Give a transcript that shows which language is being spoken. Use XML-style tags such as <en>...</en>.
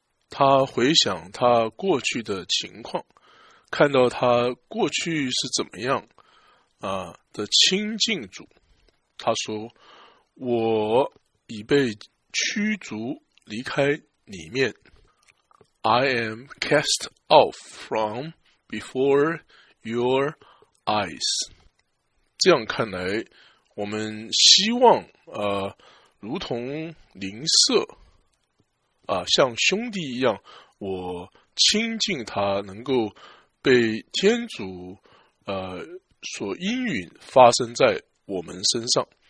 <zh>他回想他过去的情况，看到他过去是怎么样的亲近主。他说，我已被驱逐离开里面。</zh> <en>I am cast off from before your eyes.</en> <zh>这样看来，我们希望如同邻舍像兄弟一样，我亲近他，能够被天主所应允发生在我们身上。</zh>